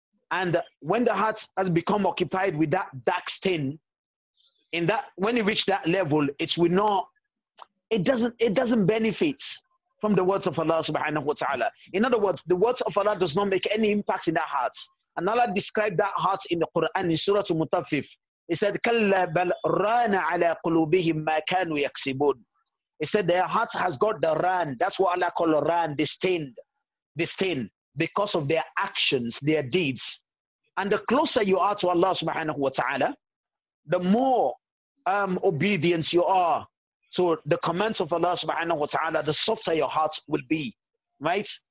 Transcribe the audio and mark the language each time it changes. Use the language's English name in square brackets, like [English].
[English] And when the heart has become occupied with that dark stain, in that, when you reach that level, it will not, it doesn't benefit from the words of Allah subhanahu wa ta'ala. In other words, the words of Allah does not make any impact in that heart. And Allah described that heart in the Quran, in Surah Mutaffif. He said, [Arabic] كَلَّا بَلْ رَانَ عَلَى قُلُوبِهِمْ مَا كَانُوا يَكْسِبُونَ. [English] He said their heart has got the ran. That's what Allah called ran, the stain, because of their actions, their deeds. And the closer you are to Allah subhanahu wa ta'ala, the more obedience you are to the commands of Allah subhanahu wa ta'ala, the softer your heart will be, right?